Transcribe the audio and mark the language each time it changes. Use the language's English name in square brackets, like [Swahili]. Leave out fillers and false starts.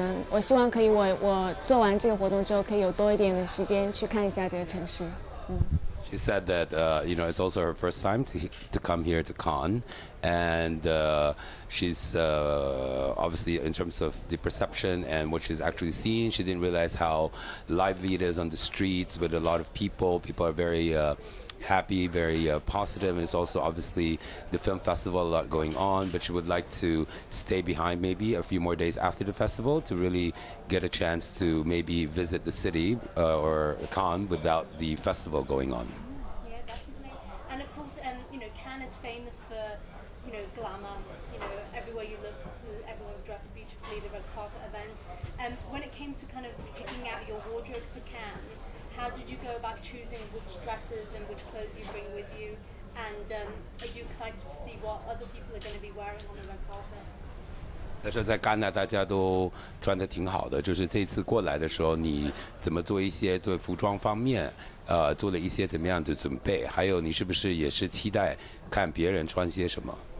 [Chinese] 我希望可以我做完这个活动之后可以有多一点的时间去看一下这个城市 [English] She said that you know it's also her first time to come here to Cannes and she's obviously in terms of the perception and what she's actually seen she didn't realize how lively it is on the streets with a lot of people are very happy very positive and it's also obviously the film festival a lot going on but she would like to stay behind maybe a few more days after the festival to really get a chance to maybe visit the city or Cannes without the festival going on yeah definitely and of course you know Cannes is famous for you know glamour you know everywhere you look everyone's dressed beautifully the red carpet events and when it came to kind of picking out your wardrobe for Cannes how did you go about choosing which dresses and which clothes you bring with you and are you excited to see what other people are going to be wearing on the red carpet [Chinese] 他说在戛纳大家都穿得挺好的就是这次过来的时候你怎么做一些作为服装方面做了一些怎么样的准备还有你是不是也是期待看别人穿些什么